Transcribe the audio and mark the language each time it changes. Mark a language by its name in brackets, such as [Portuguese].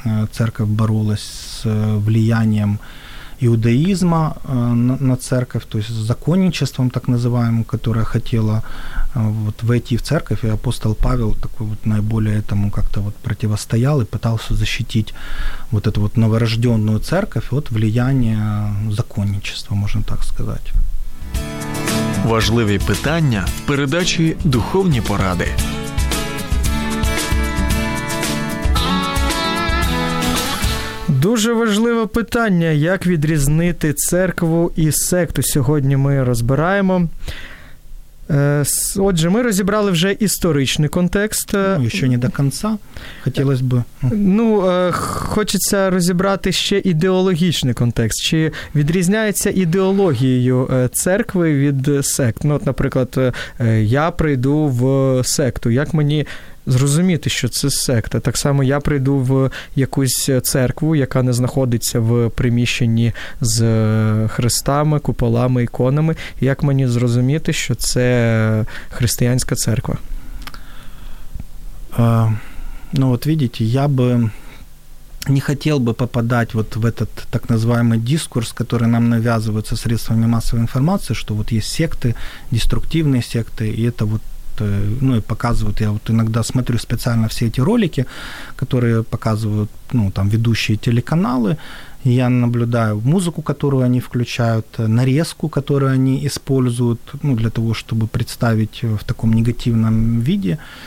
[Russian] церковь боролась с влиянием иудаизма на церковь, то есть законничеством так называемым, которое хотело вот войти в церковь, и апостол Павел такой вот наиболее этому как-то вот противостоял и пытался защитить вот эту вот новорожденную церковь от влияния законничества, можно так сказать. [Ukrainian] Важливі питання в передачі «Духовні поради». Дуже важливе питання, як відрізнити церкву і секту. Сьогодні ми розбираємо. Отже, ми розібрали вже історичний контекст. Ну, ще не до кінця. Хотілося б... Ну, хочеться розібрати ще ідеологічний контекст. Чи відрізняється ідеологією церкви від сект? Ну, от, наприклад, я прийду в секту. Як мені зрозуміти, що це секта? Так само я прийду в якусь церкву, яка не знаходиться в приміщенні з хрестами, куполами, іконами. Як мені зрозуміти, що це християнська церква? [Russian] Ну, от видите, я би не хотел бы попадать вот в этот так называемый дискурс, который нам навязывается средствами массовой информации, что вот есть секты, деструктивные секты, и это вот ну и показывают, я вот иногда смотрю специально все эти ролики, которые показывают, ну, там, ведущие телеканалы, и я наблюдаю музыку, которую они включают, нарезку, которую они используют, ну, для того, чтобы представить в таком негативном виде